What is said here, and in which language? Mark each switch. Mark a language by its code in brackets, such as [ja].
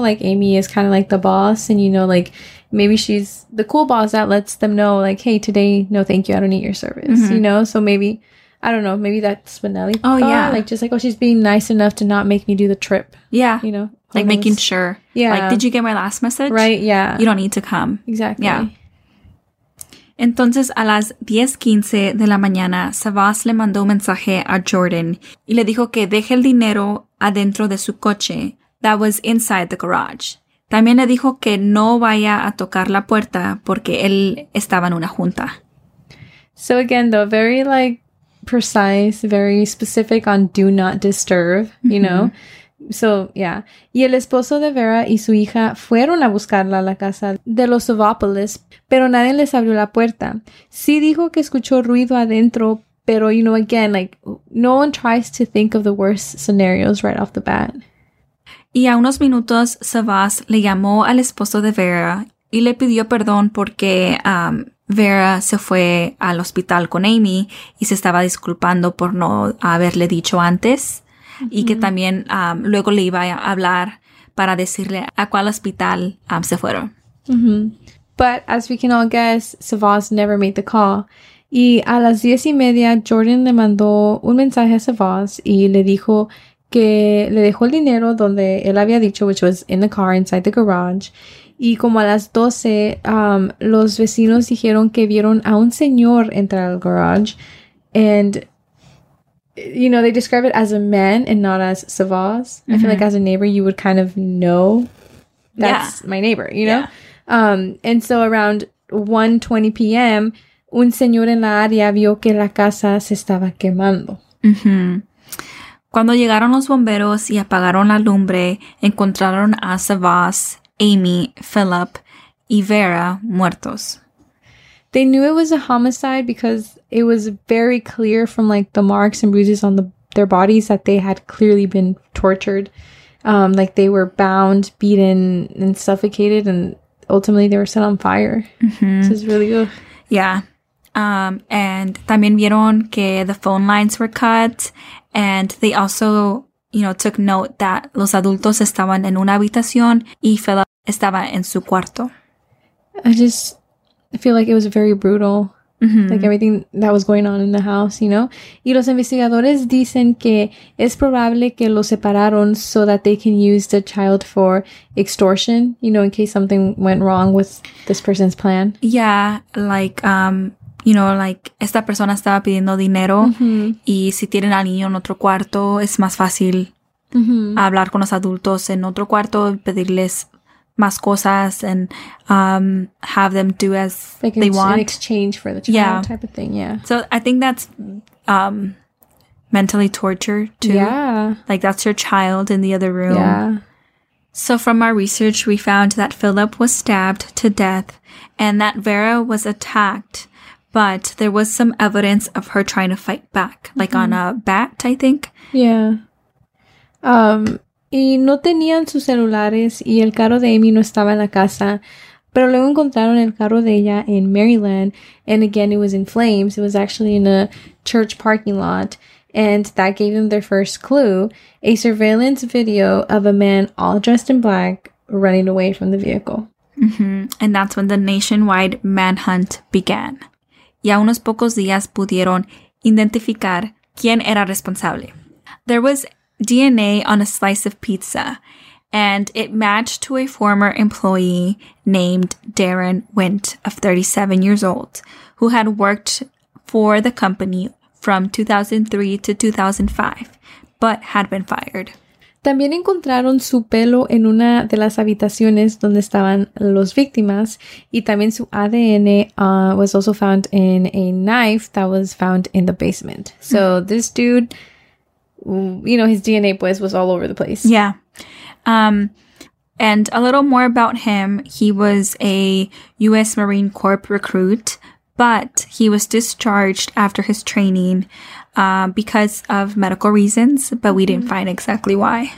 [en] Like, Amy is kind of like the boss. And, you know, like, maybe she's the cool boss that lets them know, like, hey, today, no, thank you. I don't need your service. Mm-hmm. You know, so maybe, I don't know, maybe that's what Nelly thought. Oh, yeah. Like, just like, oh, she's being nice enough to not make me do the trip. Yeah. You know? Who like, knows? Making sure. Yeah. Like, did you get my last message? Right, yeah. You don't need to come. Exactly. Yeah. [es] Entonces, a las 10:15 de la mañana, Sebas le mandó un mensaje a Jordan y le dijo que deje el dinero adentro de su coche. [en] That was inside the garage. [es] También le dijo que no vaya a tocar la puerta porque él estaba en una junta. [en] So again, though, very, like, precise, very specific on do not disturb, you know? So, yeah. [es] Y el esposo de Vera y su hija fueron a buscarla a la casa de los Savopoulos, pero nadie les abrió la puerta. Sí dijo que escuchó ruido adentro, pero, [en] you know, again, like, no one tries to think of the worst scenarios right off the bat. [es] Y a unos minutos, Sebas le llamó al esposo de Vera y le pidió perdón porque Vera se fue al hospital con Amy y se estaba disculpando por no haberle dicho antes. Mm-hmm. Y que también luego le iba a hablar para decirle a cuál hospital se fueron. Mm-hmm. [en] But as we can all guess, Savas never made the call. [es] Y a las 10:30, Jordan le mandó un mensaje a Savas y le dijo que le dejó el dinero donde él había dicho, [en] which was in the car, inside the garage. [es] Y como a las 12, los vecinos dijeron que vieron a un señor entrar al garage. [en] And, you know, they describe it as a man and not as Savas. Mm-hmm. I feel like as a neighbor, you would kind of know that's my neighbor, you know? Yeah. And so around 1:20 p.m., [es] un señor en la área vio que la casa se estaba quemando. Mm-hmm. Cuando llegaron los bomberos y apagaron la lumbre, encontraron a Savas, Amy, Philip, y Vera muertos. [en] They knew it was a homicide because it was very clear from, like, the marks and bruises on their bodies that they had clearly been tortured. Like, they were bound, beaten, and suffocated, and ultimately they were set on fire. Mm-hmm. This is really good. Yeah. And [es] también vieron que [en] the phone lines were cut, and they also, you know, took note that [es] los adultos estaban en una habitación y Philip estaba en su cuarto. [en] I just feel like it was very brutal, mm-hmm. like everything that was going on in the house, you know? [es] Y los investigadores dicen que es probable que los separaron [en] so that they can use the child for extortion, you know, in case something went wrong with this person's plan. Yeah, like, you know, like, [es] esta persona estaba pidiendo dinero, mm-hmm. y si tienen al niño en otro cuarto, es más fácil, mm-hmm. hablar con los adultos en otro cuarto, pedirles más cosas, [en] and have them do as like they want. In exchange for the child, yeah. type of thing, yeah. So I think that's mentally torture, too. Yeah. Like, that's your child in the other room. Yeah. So from our research, we found that Philip was stabbed to death and that Vera was attacked. But there was some evidence of her trying to fight back, like, mm-hmm. on a bat, I think. Yeah. [es] Y no tenían sus celulares y el carro de Amy no estaba en la casa. Pero luego encontraron el carro de ella en Maryland. [en] And again, it was in flames. It was actually in a church parking lot. And that gave them their first clue. A surveillance video of a man all dressed in black running away from the vehicle. Mm-hmm. And that's when the nationwide manhunt began. [es] Y a unos pocos días pudieron identificar quién era responsable. [en] There was DNA on a slice of pizza, and it matched to a former employee named Darren Wint of 37 years old, who had worked for the company from 2003 to 2005, but had been fired. [es] También encontraron su pelo en una de las habitaciones donde estaban las víctimas y también su ADN [en] was also found in a knife that was found in the basement. So this dude, you know, his DNA [es] pues [en] was all over the place. Yeah. And a little more about him, he was a U.S. Marine Corps recruit, but he was discharged after his training because of medical reasons, but we didn't find exactly why.